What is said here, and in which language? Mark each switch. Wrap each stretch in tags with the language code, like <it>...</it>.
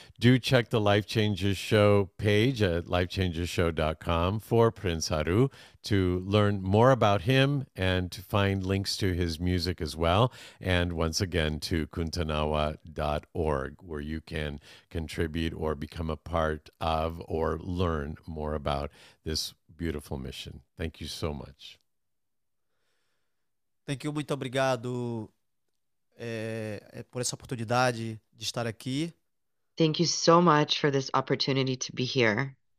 <en>Do check the Life Changes Show page at lifechangesshow.com for Prince Haru to learn more about him and to find links to his music as well. And once again, to kuntanawa.org, where you can contribute or become a part of or learn more about this beautiful mission. Thank you so much. Thank you,</en> <pt>muito obrigado por essa oportunidade de estar aqui.</pt> <en>Thank you so much for this opportunity to be here.</en>